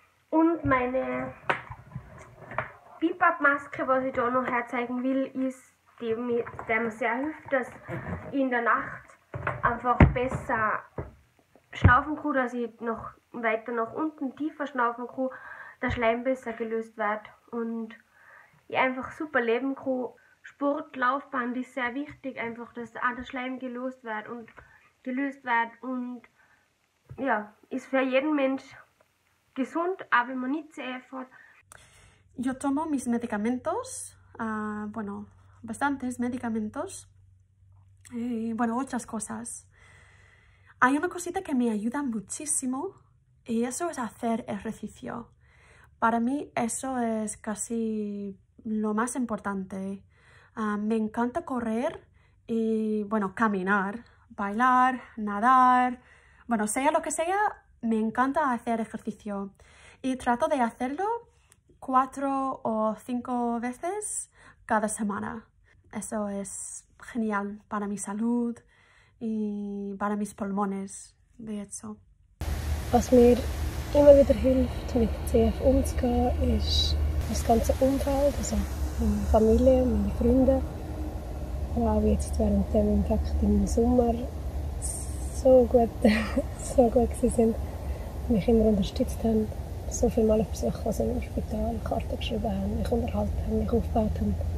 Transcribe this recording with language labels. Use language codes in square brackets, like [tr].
[de] Und meine BIPAP-Maske, was ich da noch herzeigen will, ist die, der mir sehr hilft, dass ich in der Nacht einfach besser schnaufen kann, dass ich noch weiter nach unten tiefer schnaufen kann, der Schleim besser gelöst wird und ich einfach super leben kann. Sport, Laufbahn ist sehr wichtig, einfach, dass auch der Schleim gelöst wird und gelöst wird und ja, ist für jeden Mensch gesund, aber wenn man nicht CF hat. [es] Yo tomo mis medicamentos, bueno, bastantes medicamentos, bueno, otras cosas. Hay una cosita que me ayuda muchísimo y eso es hacer ejercicio. Para mí eso es casi lo más importante. Me encanta correr y, bueno, caminar, bailar, nadar, bueno, sea lo que sea, me encanta hacer ejercicio y trato de hacerlo 4 o 5 veces cada semana. Eso es genial para mi salud y para mis pulmones, de hecho. [de] Was mir immer wieder hilft, mit CF umzugehen, ist das ganze Umfeld, also meine Familie, meine Freunde. Aber auch jetzt während dem Infekt im Sommer so gut sie sind, mich immer unterstützt haben, so viele Male besucht, was im Spital Karten geschrieben haben, mich unterhalten haben, mich aufgebaut haben.